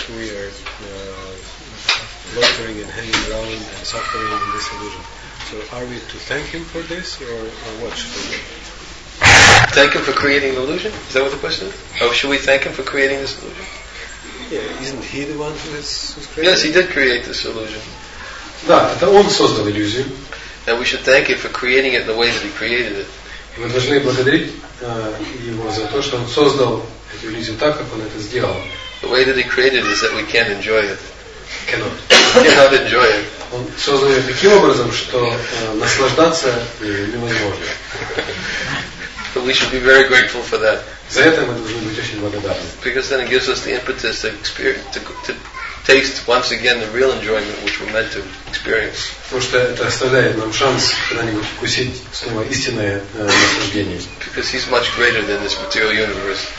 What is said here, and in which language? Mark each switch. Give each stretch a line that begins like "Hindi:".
English: We are loitering and hanging around and suffering in disillusion. So are we to thank him for this, or what should we do? Thank him for creating the illusion? Is that what the question is? Oh, should we thank him for creating this illusion? Yeah, isn't he the one who has created? Yes, he did create this illusion.
Russian: Да, это он создал иллюзию.
English: And we should thank him for creating it in the way that he created it.
Russian: И мы должны благодарить его за то, что он создал эту иллюзию так, как он это сделал.
English: The way that he created it is that we can't enjoy it. Cannot enjoy it.
Russian: Он создал ее таким образом, что наслаждаться невозможно.
English: So we should be very grateful for that.
Russian: За это мы должны быть очень благодарны.
English: Because then it gives us the impetus to experience, to taste once again the real enjoyment which we're meant to experience.
Russian: Потому что это оставляет нам шанс когда-нибудь вкусить снова истинное наслаждение.
English: Because he's much greater than this material universe.